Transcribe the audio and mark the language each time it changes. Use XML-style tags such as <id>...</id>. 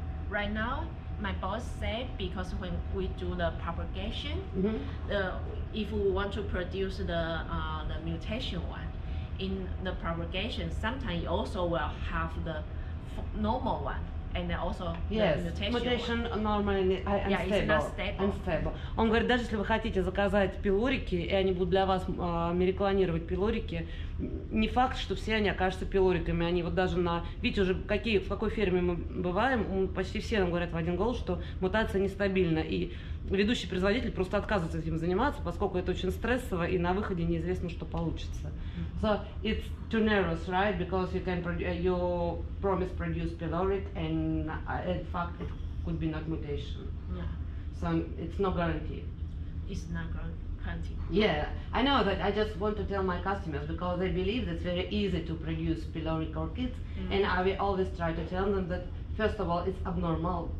<en>Right now, my boss said because when we do the propagation, if we want to produce the mutation one, in the propagation, sometimes you also will have the normal one. And also mutation normally unstable.</en> <ru>Он говорит, даже если вы хотите заказать пилорики, и они будут для вас мерекланировать пилорики, не факт, что все они окажутся пилориками. Они вот даже на... Видите уже, в какой ферме мы бываем, почти все нам говорят в один голос, что мутация нестабильна. И ведущий производитель просто отказывается этим заниматься, поскольку это очень стрессово, и на выходе неизвестно, что получится.</ru> <en>So, it's too nervous, right? Because you can you promise produce pyloric, and in fact, it could be not mutation. Yeah. So, it's no guarantee. It's not guarantee. Yeah, I know that. I just want to tell my customers because they believe it's very easy to produce pyloric orchids, and I will always try to tell them that first of all, it's abnormal.</en>